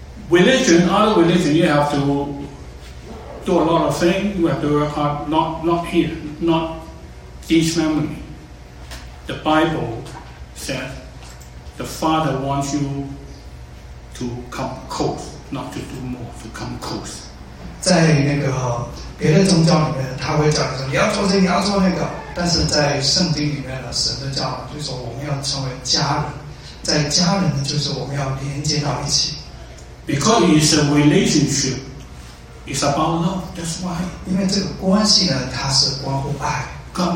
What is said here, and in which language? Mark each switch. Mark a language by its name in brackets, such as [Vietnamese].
[English] Religion, other religion, you have to do a lot of things, you have to work hard, not here, not this family. The Bible said the Father wants you to come close, not to do more, to come close. [Chinese] 在那个别的宗教里面，他会讲说你要做这个，你要做那个，但是在圣经里面呢，神的教就是说我们要成为家人。在家人呢，就是我们要连接到一起。Because [English] it's a relationship, it's about love. That's why. [Chinese] 因为这个关系呢，它是关乎爱。God